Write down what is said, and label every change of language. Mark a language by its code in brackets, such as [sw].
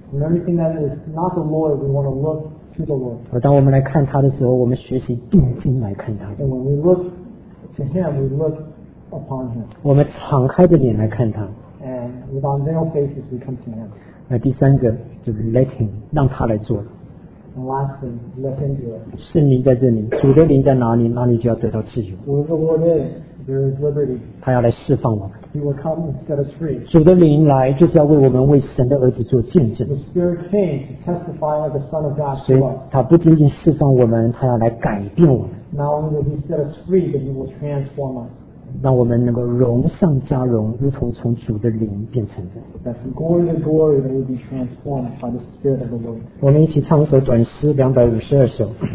[en] From everything that is not the Lord, we want to look to the Lord. [zh] 而当我们来看他的时候，我们学习定睛来看他。 [en] And when we look to Him, we look upon Him. [zh] 我们敞开的脸来看他。 [en] And with unveiled faces, we come to Him. [zh] 那第三个就是 [en] let Him, [zh] 让他来做。 [en] And lastly, let Him do it. [zh] 圣灵在这里，主的灵在哪里，哪里就要得到自由。 [en] Where the Lord is, there is liberty. [zh] 他要来释放我们。 [en] He will come and set us free. [zh] 主的灵来就是要为我们为神的儿子做见证。 [en] The Spirit came to testify of the Son of God to us. [zh] 所以他不仅仅释放我们，他要来改变我们。 [en] Not only will He set us free, but He will transform us. [zh] 让我们能够荣上加荣，如同从主的灵变成的。 [en] That from glory to glory we will be transformed by the Spirit of the Lord. [zh] 我们一起唱一首短诗252首。